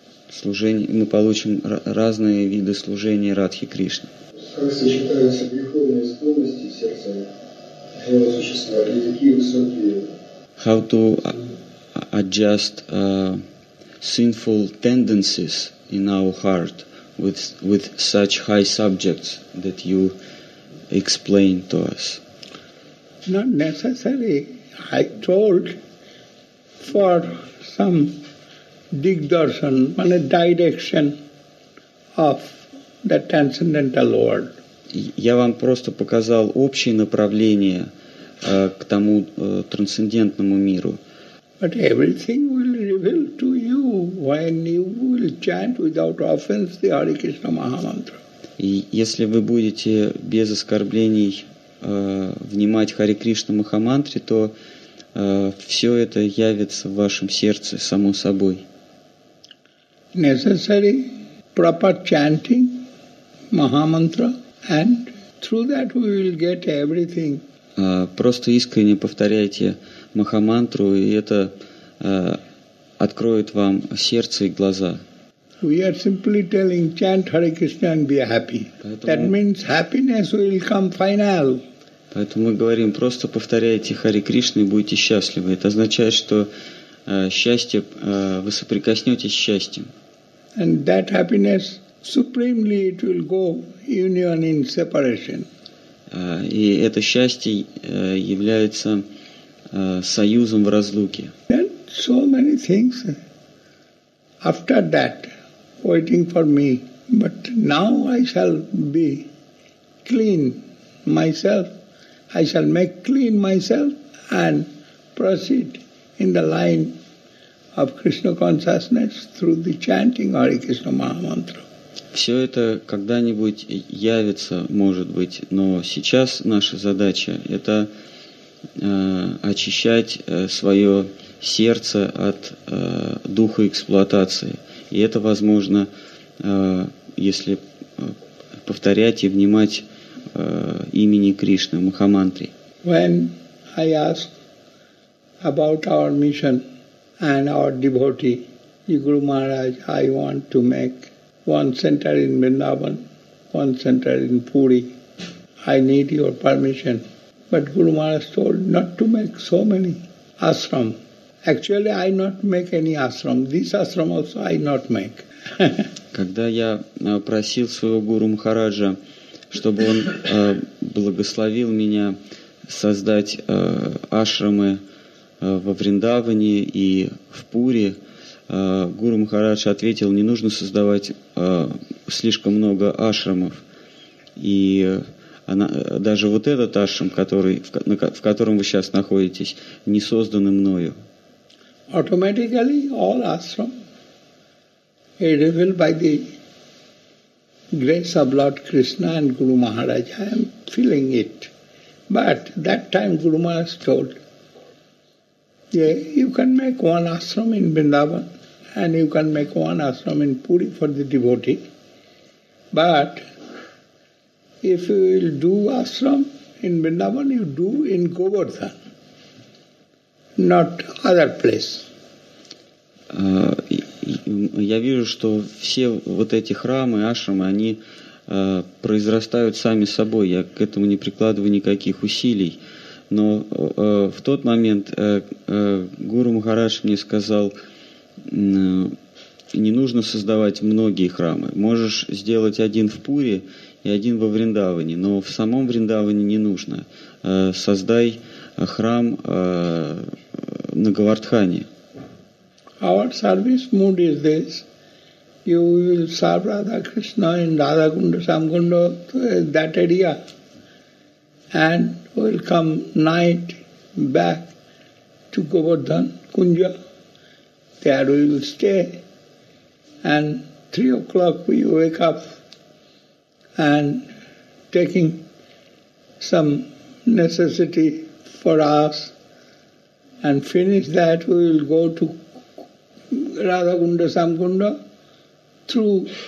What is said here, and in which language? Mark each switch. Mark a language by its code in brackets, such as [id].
[ru] Служение, мы получим разные виды служения Радхи Кришны. Как сочетаются духовные склонности сердца живого существа и такие высокие? [en] How to are just sinful tendencies in our heart with such high subjects that you explain to us? Not necessary. I told for some digdarshan, one direction of the transcendental Lord. [ru] Я вам просто показал общее направление к тому трансцендентному миру. [en] But everything will reveal to you when you will chant without offense the Hare Krishna Mahamantra. [ru] И если вы будете без оскорблений внимать Харе Кришна Махамантре, то все это явится в вашем сердце само собой. [en] Necessary proper chanting Mahamantra, and through that we will get everything. [ru] Просто искренне повторяйте Махамантру, и это откроет вам сердце и глаза. [en] We are simply telling, chant Hare Krishna and be happy. That means happiness will come final. [ru] Поэтому мы говорим, просто повторяйте Харе Кришна и будете счастливы. Это означает, что счастье, вы соприкоснетесь с счастьем. [en] And that happiness, supremely it will go union in separation. [ru] И это счастье является союзом в разлуке. [en] Then so many things after that waiting for me, but now I shall be clean myself. I shall make clean myself and proceed in the line of Krishna consciousness through the chanting Hare Krishna Mahamantra. [ru] Все это когда-нибудь явится, может быть, но сейчас наша задача – это очищать свое сердце от духа эксплуатации. И это возможно, если повторять и внимать имени Кришны, Махамантри. [en] When I ask about our mission and our devotee, Guru Maharaj, I want to make one center in Vrindavan, one center in Puri. I need your permission. But Guru Maharaj told not to make so many ashram. Actually, I not make any ashram. This ashram also I not make. [ru] Когда я просил своего Гуру Махараджа, чтобы он благословил меня создать ашрамы во Вриндаване и в Пури, Гуру Махарадж ответил, не нужно создавать слишком много ашрамов. И даже вот этот ашрам, в котором вы сейчас находитесь, не создан мною. [en] Automatically all ashram is revealed by the grace of Lord Krishna and Guru Maharaj. I am feeling it. But that time Guru Maharaj told, yeah, you can make one ashram in Vrindavan and you can make one ashram in Puri for the devotee. But if you will do ashram in Vrindavan, you do in Govardhan, not other place. [ru] Я вижу, что все вот эти храмы, ашрамы, они произрастают сами собой. Я к этому не прикладываю никаких усилий. Но в тот момент Гуру Махарадж мне сказал, не нужно создавать многие храмы. Можешь сделать один в Пури и один во Вриндаване, но в самом Вриндаване не нужно. Создай храм на Говардхане. [en] Our service mood is this. You will serve Radha Krishna in Radha Kunda, Samkunda, that area. And will come night back to Govardhan, Kunja. There we will stay. And 3 o'clock we wake up and taking some necessity for us and finish that we will go to Radha Kunda, Samkunda, through